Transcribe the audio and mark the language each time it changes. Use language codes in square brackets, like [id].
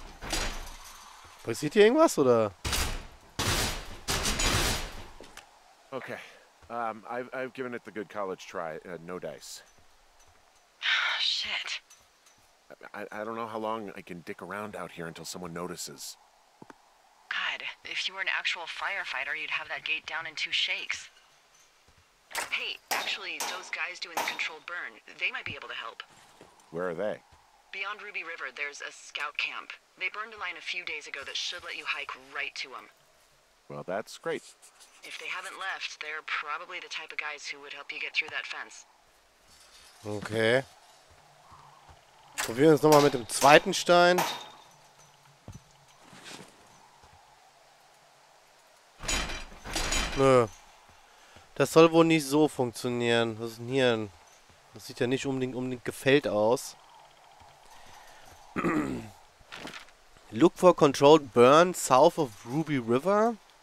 [de] 63. Passiert hier irgendwas, oder? Okay. [en] I've given it the good college try. No dice. Shit. I don't know how long I can dick around out here until someone notices. God, if you were an actual firefighter, you'd have that gate down in two shakes. Hey, actually, those guys doing the controlled burn, they might be able to help. Where are they? Beyond Ruby River, there's a scout camp. They burned a line a few days ago that should let you hike right to them. Well, that's great. If they haven't left, they're probably the type of guys who would help you get through that fence. Okay. [de] Probieren wir es nochmal mit dem zweiten Stein. Nö. Das soll wohl nicht so funktionieren. Was ist denn hier? Das sieht ja nicht unbedingt gefällt aus. [en] Look for controlled burn south of Ruby River.